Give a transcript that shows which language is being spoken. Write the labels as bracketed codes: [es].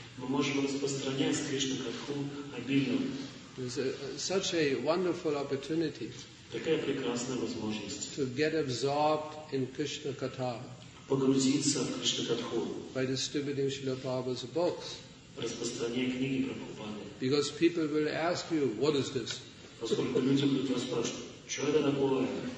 [ru] Мы можем распространять Кришна Катху обильно. [en] It's such a wonderful opportunity. [ru] Такая прекрасная возможность. [en] To get absorbed in Krishna Katha. [ru] Погрузиться в Кришна Катху. [en] By distributing Srila Prabhupada's books. [ru] Распространяя книги Прабхупады. [en] Because people will ask you, what is this? [ru] Поскольку люди будут вас спрашивать, что это такое?